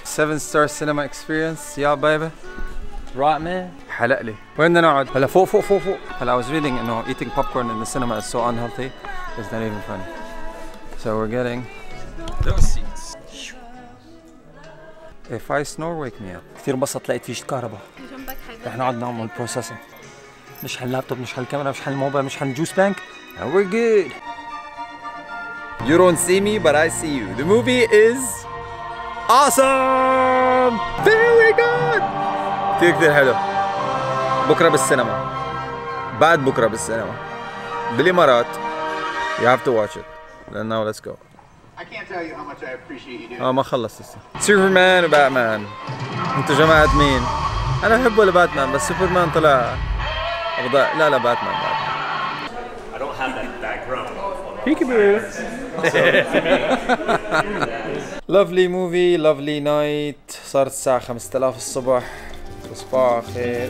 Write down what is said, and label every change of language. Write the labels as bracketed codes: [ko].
[en] 7-star cinema experience. [ar] يا بيبي. [en] Right man. [ar] حلق لي. وين بدنا نقعد؟ هلا فوق فوق فوق فوق. [en] هلا I was reading إنه eating popcorn in the cinema is so unhealthy. It's not even funny. So we're getting those seats. If I snore wake me up. [ar] كثير بسط لقيت فيش كهرباء. إحنا عدنا نعمل processing. مش هاللابتوب، مش هالكاميرا، مش هالموبايل، مش هالجوس بانك. [en] We're good. You don't see me, but I see you. The movie is awesome. Very good. [ar] كتير كتير حلو. بكرة بالسينما. بعد بكرة بالسينما. بالإمارات. [en] You have to watch it. Then now let's go. I can't tell you how much I appreciate you doing. [ar] ما خلصت لسه. Superman و Batman. أنت جماعة مين؟ أنا أحب ولا باتمان، بس سوبرمان طلع. لا لا باتمان. [en] I don't have that background. Peekaboo. Lovely movie, lovely night. [ar] صارت الساعة 5000 الصبح. تصبحوا على خير.